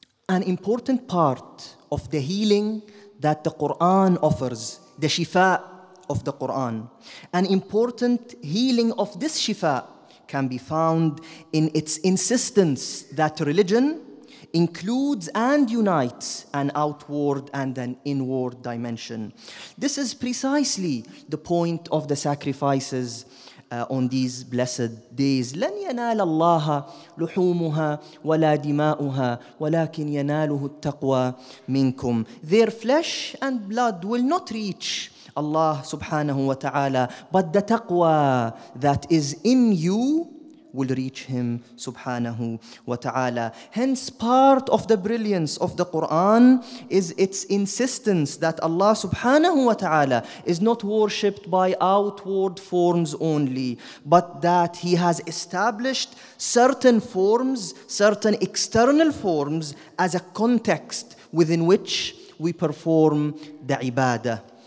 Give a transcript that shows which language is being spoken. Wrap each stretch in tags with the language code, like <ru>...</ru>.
<en>An important part of the healing that the Quran offers, the shifa of the Quran, an important healing of this shifa can be found in its insistence that religion includes and unites an outward and an inward dimension. This is precisely the point of the sacrifices on these blessed days.</en> <ar>لن ينال الله لحومها ولا دماؤها ولكن يناله التقوى منكم.</ar> <en>Their flesh and blood will not reach Allah subhanahu wa ta'ala, but the taqwa that is in you will reach him subhanahu wa ta'ala. Hence, part of the brilliance of the Quran is its insistence that Allah subhanahu wa ta'ala is not worshipped by outward forms only, but that he has established certain forms, certain external forms, as a context within which we perform the ibadah.</en>